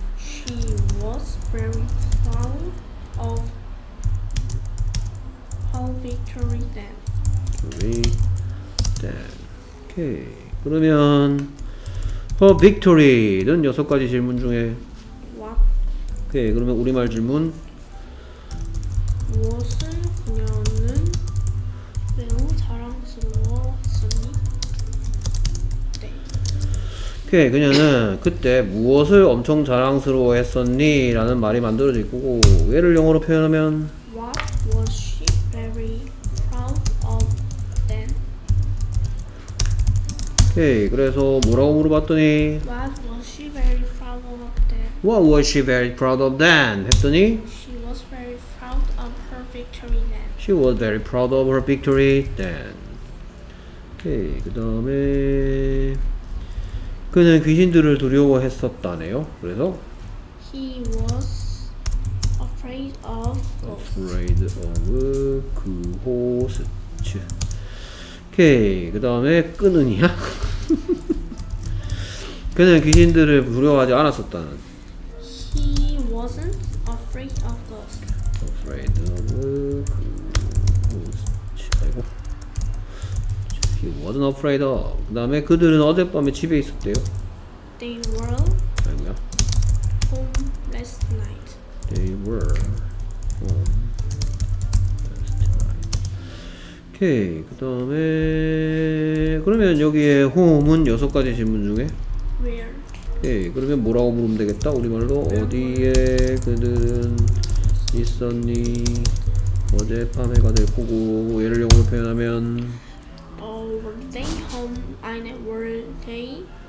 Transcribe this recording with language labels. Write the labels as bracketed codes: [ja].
[en] She was very proud of her victory then. Okay. [ko] 그러면 [en] her victory [ko] 는 여섯 가지 질문 중에 [en] What? [ko] 오케이. 그러면 우리말 질문 무엇을 그녀는 매우 자랑스러웠으니? 오케이. 그녀는 그때 무엇을 엄청 자랑스러워 했었니? 라는 말이 만들어질 거고, 얘를 영어로 표현하면 [en] What was she very proud of then? [ko] 오케이. 그래서 뭐라고 물어봤더니 [en] What was she very proud of then? What was she very proud of then? [ko] 했더니 [en] She was very proud of her victory then. She was very proud of her victory then. [ko] 오케이. 그 다음에 그는 귀신들을 두려워했었다네요. 그래서 [en] He was afraid of ghosts. Afraid of ghosts. 오케이. [ko] 그 다음에 끄는이야? 그는 귀신들을 두려워하지 않았었다는 [en] He wasn't afraid of ghosts. Afraid of ghosts. [ko] 아이고. [en] He wasn't afraid of. [ko] 그 다음에 그들은 어젯밤에 집에 있었대요. [en] They were [ko] 아이고야. [en] home last night. They were home last night. [ko] 오케이. 그 다음에 그러면 여기에 home은 여섯 가지 질문 중에 [en] where. [ko] 오케이. 그러면 뭐라고 물으면 되겠다. 우리말로 [en] where [ko] 어디에 were. 그들은 있었니? 어젯밤에 가들 보고 얘를 영어로 표현하면 [en] were they home and were they.